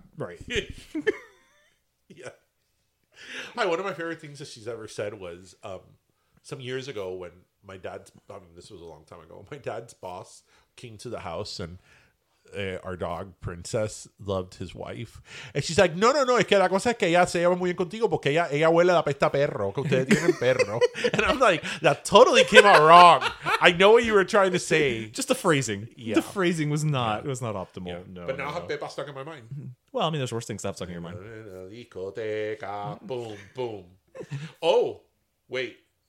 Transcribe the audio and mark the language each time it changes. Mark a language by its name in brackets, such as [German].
[English] Right. Yeah. One of my favorite things that she's ever said was some years ago when my dad's, I mean, this was a long time ago, my dad's boss came to the house and our dog, Princess, loved his wife. And she's like, [Spanish] no, es que la cosa es que ella se lleva muy bien contigo porque ella huele a la pesta perro, que ustedes tienen perro. [English] And I'm like, that totally came out wrong. I know what you were trying to say. Just the phrasing. Yeah. The phrasing was not optimal. Yeah. No, but now no, I have Pepa stuck in my mind. Well, I mean, there's worse things to have stuck in your mind. Discoteca, boom, boom. Oh, wait.